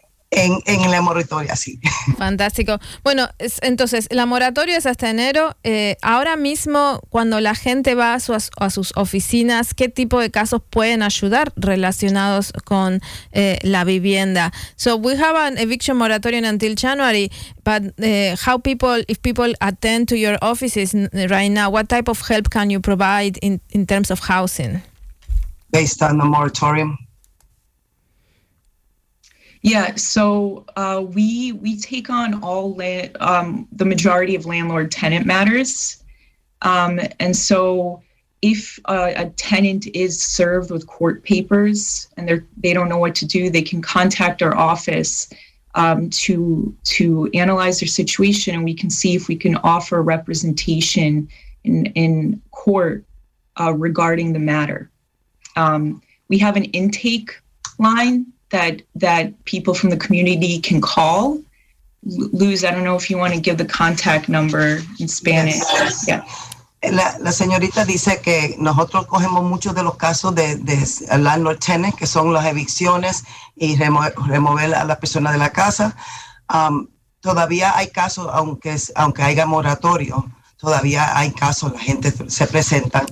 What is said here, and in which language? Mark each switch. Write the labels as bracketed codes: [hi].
[es] En la moratoria, sí. Fantástico. Bueno, entonces, la moratoria es hasta enero. Ahora mismo, cuando la gente va a sus oficinas, ¿qué tipo de casos pueden ayudar relacionados con la vivienda? [en] So, we have an eviction moratorium until January, but if people attend to your offices right now, what type of help can you provide in terms of housing? Based on the moratorium. Yeah, so we take on all the majority of landlord-tenant matters. And so if a tenant is served with court papers and they don't know what to do, they can contact our office to analyze their situation, and we can see if we can offer representation in court regarding the matter. We have an intake line that people from the community can call. Luz, I don't know if you want to give the contact number in Spanish. Yes. Yeah. [es] La señorita dice que nosotros cogemos muchos de los casos de landlord tenants, que son las evicciones y remover a la persona de la casa. Todavía hay casos, aunque haya moratorio, todavía hay casos, la gente se presenta.